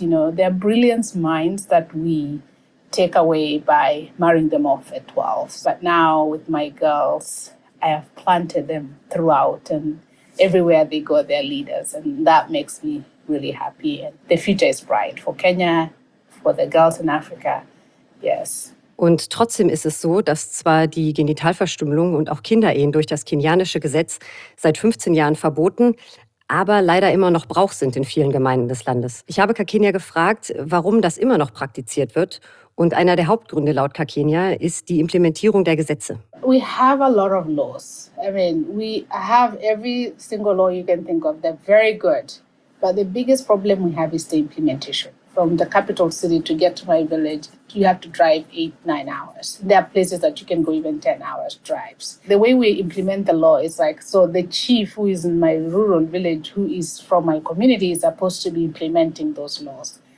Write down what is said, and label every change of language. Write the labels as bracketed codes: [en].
[en] You know, they're brilliant minds that we take away by marrying them off at 12. But now with my girls, I have planted them throughout, and everywhere they go, they're leaders. And that makes me really happy. And the future is bright for Kenya, for the girls in Africa. Yes. [de] Und trotzdem ist es so, dass zwar die Genitalverstümmelung und auch Kinderehen durch das kenianische Gesetz seit 15 Jahren verboten, aber leider immer noch Brauch sind in vielen Gemeinden des Landes. Ich habe Kakenia gefragt, warum das immer noch praktiziert wird. Und einer der Hauptgründe laut Kakenia ist die Implementierung der Gesetze. [en] We have a lot of laws. I mean, we have every single law you can think of. They're very good. But the biggest problem we have is the implementation. From the capital city to get to my village, you have to drive 8-9 hours. There are places that you can go even 10 hours drives. The way we implement the law is like, so the chief who is in my rural village, who is from my community, is supposed to be implementing those laws.